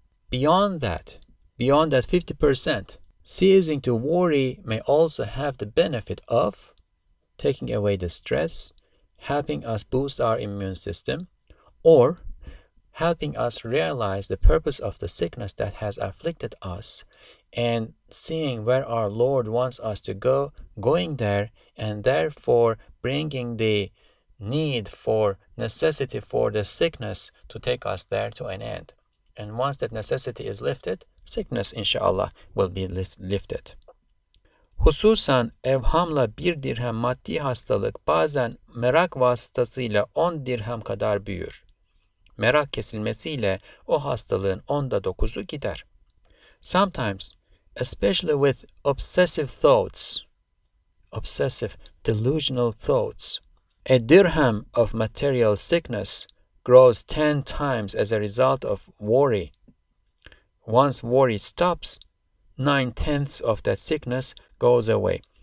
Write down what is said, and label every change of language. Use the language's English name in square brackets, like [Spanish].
[English] Beyond that 50%, ceasing to worry may also have the benefit of taking away the stress, helping us boost our immune system, or helping us realize the purpose of the sickness that has afflicted us, and seeing where our Lord wants us to go, going there, and therefore bringing the need for necessity for the sickness to take us there to an end. And once that necessity is lifted, sickness, inshallah, will be lifted. [Turkish] Hususan evhamla bir dirhem maddi hastalık bazen merak vasıtasıyla 10 dirhem kadar büyür. Merak kesilmesiyle o hastalığın onda dokuzu gider. [English] Sometimes, especially with obsessive delusional thoughts, a dirham of material sickness grows 10 times as a result of worry. Once worry stops, 9/10 of that sickness goes away.